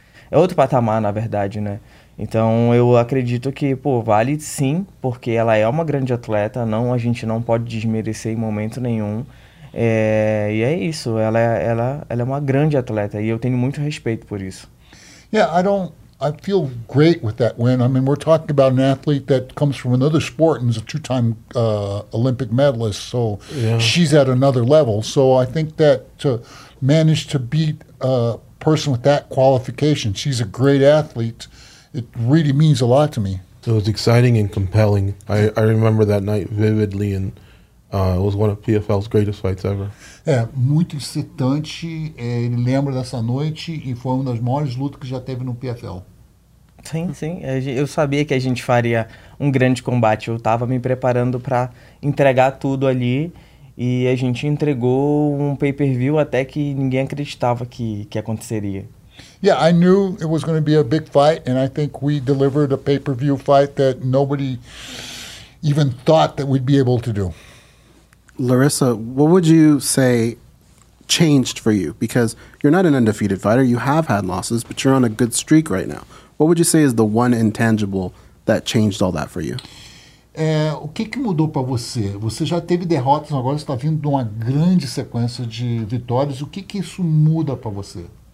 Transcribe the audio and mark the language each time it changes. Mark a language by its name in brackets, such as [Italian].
[Portuguese] É outro patamar, na verdade, né? Então eu acredito que, pô, vale sim, porque ela é uma grande atleta, a gente não pode desmerecer em momento nenhum. E é isso. Ela é uma grande atleta e eu tenho muito respeito por isso. [English] Yeah, I feel great with that win. I mean, we're talking about an athlete that comes from another sport and is a two-time Olympic medalist. So yeah. She's at another level. So I think that to manage to beat a person with that qualification, she's a great athlete. It really means a lot to me. So it was exciting and compelling. I remember that night vividly, and it was one of PFL's greatest fights ever. [Portuguese] É, muito excitante. Ele lembra dessa noite e foi uma das maiores lutas que já teve no PFL. Sim, sim. Eu sabia que a gente faria um grande combate. Eu estava me preparando para entregar tudo ali e a gente entregou um pay-per-view até que ninguém acreditava que aconteceria. [English] Yeah, I knew it was going to be a big fight, and I think we delivered a pay-per-view fight that nobody even thought that we'd be able to do. Larissa, what would you say changed for you? Because you're not an undefeated fighter. You have had losses, but you're on a good streak right now. What would you say is the one intangible that changed all that for you? [Portuguese] O que que mudou para você? Você já teve derrotas, agora você está vindo de uma grande sequência de vitórias. O que que isso muda para você?